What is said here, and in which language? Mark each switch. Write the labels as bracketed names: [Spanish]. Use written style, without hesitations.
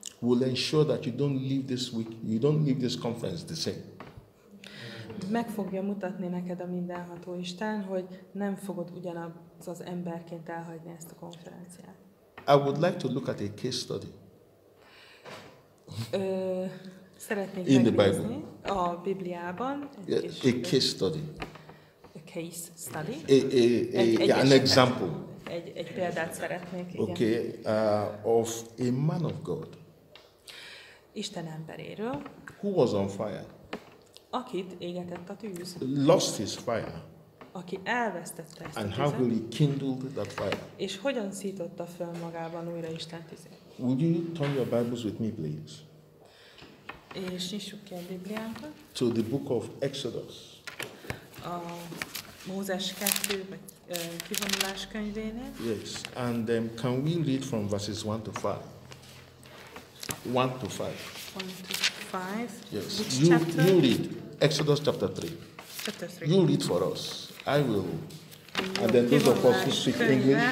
[English] Will ensure that you don't leave this week, you don't leave this conference the same. [Hungarian] Meg fogja mutatni neked a mindenható Isten, hogy nem fogod ugyanaz az emberként elhagyni ezt a konferenciát. [English] I would like to look at a case study. [Hungarian] Szeretnék [English] in the Bible. [Hungarian] A Bibliában [English] a case study. A case study. An example. [Hungarian] Egy példát szeretnék. [English] Okay, of a man of God. [Hungarian] Isten emberéről. [English] Who was on fire? [Hungarian] Akit égetett a tűz. [English] Lost his fire. [Hungarian] Aki elvesztette ezt [English] and how will he kindle that fire? [Hungarian] És hogyan szította föl magában újra Isten tüzét? [English] Would you turn your Bibles with me, please? [Hungarian] És nyissuk ki a Bibliánkat. [English] To the book of Exodus. [Hungarian] A Mózes 2, kivonulás könyvénél. [English] Yes, and then can we read from verses 1 to 5? 1 to 5. 1 to 5. Yes, you read Exodus chapter 3. Chapter 3. You read for us. I will. And then those of us who speak English,